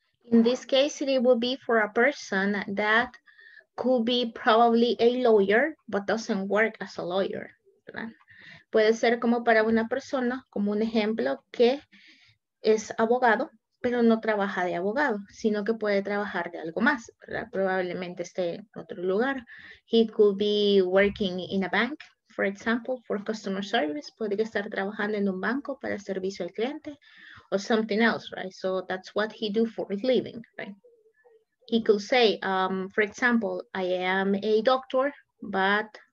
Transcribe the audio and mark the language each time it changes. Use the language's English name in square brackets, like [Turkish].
[English] In this case, it would be for a person that could be probably a lawyer, but doesn't work as a lawyer. [Spanish] ¿Verdad? Puede ser como para una persona, como un ejemplo, que es abogado, pero no trabaja de abogado, sino que puede trabajar de algo más, ¿verdad? Probablemente esté en otro lugar. [English] He could be working in a bank, for example, for customer service. [Spanish] Podría estar trabajando en un banco para servicio al cliente [English] or something else, right? So that's what he do for his living, right? He could say, for example, I am a doctor, but